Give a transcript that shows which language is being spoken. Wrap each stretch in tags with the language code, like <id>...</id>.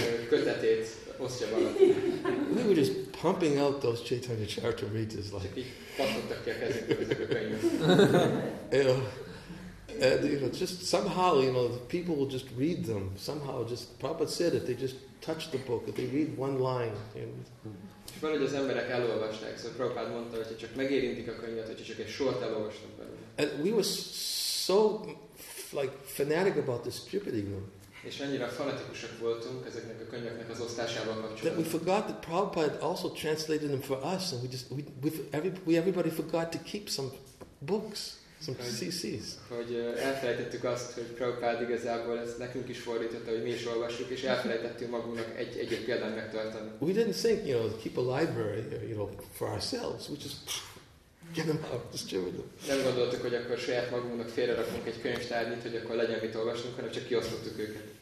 <en>We were just pumping out those Chaitanya Charitamritas like. And, you know, just somehow, you know, the people will just read them. Somehow, just Prabhupada said it, they just touch the book, if they read one line.</en> <hu>És valahogy az emberek elolvasták, szóval Prabhupád mondta, hogy csak megérintik a könyvet, hogy csak egy sort elolvastam belőle.</hu> <en>And we were so like fanatic about distributing them.</en> <hu>És annyira fanatikusak voltunk ezeknek a könyveknek az osztásával kapcsolatban.</hu> <en>That we forgot that Prabhupád also translated them for us, and everybody forgot to keep some books, some CCs.</en> <hu>Hogy elfelejtettük azt, hogy Prabhupád igazából ezt nekünk is fordította, hogy mi is olvassuk, és elfelejtettük magunknak egy példát megtartani.</hu> <en>We didn't think, you know, keep a library, you know, for ourselves. We just get them out, distribute them.</en> <hu>Nem gondoltuk, hogy akkor saját magunknak félrerakunk egy könyvtárnyit, hogy akkor legyen mit olvasnunk, hanem csak kiosztottuk őket.</hu>